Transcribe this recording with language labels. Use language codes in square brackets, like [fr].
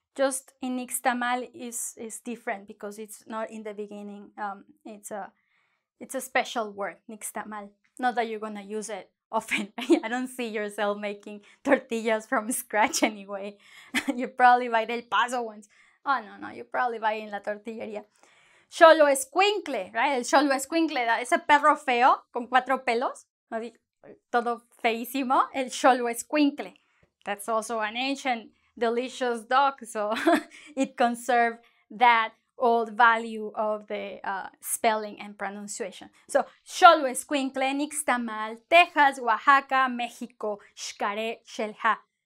[en] Just in Ixtamal is different because it's not in the beginning. It's a special word, Ixtamal. Not that you're going to use it often. I don't see yourself making tortillas from scratch anyway. You probably buy del paso ones. Oh, no, you probably buy in la tortilleria. Xolo escuincle, right? [es] El xolo escuincle, ese perro feo con cuatro pelos, así, todo feísimo, el xolo escuincle. [en] That's also an ancient, delicious dog, so it conserved that old value of the spelling and pronunciation. So, xolo escuincle, nixtamal, Texas, Oaxaca, Mexico, xcare, xelha.